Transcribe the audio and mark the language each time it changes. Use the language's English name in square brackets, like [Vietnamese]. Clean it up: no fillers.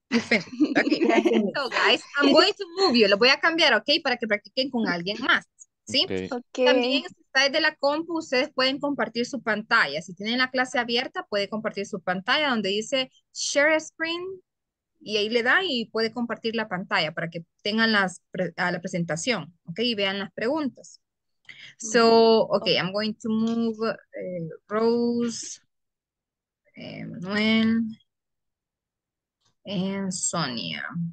[English] Okay. So guys, I'm going to move you. [Spanish] Lo voy a cambiar, [English] okay? [Spanish] Para que practiquen con alguien más. ¿Sí? [English] Okay. [Spanish] También si está de la compu, ustedes pueden compartir su pantalla. Si tienen la clase abierta, puede compartir su pantalla donde dice share screen y ahí le da y puede compartir la pantalla para que tengan la presentación, okay, y vean las preguntas. [English] So, okay, I'm going to move Rose, Manuel, and Sonia.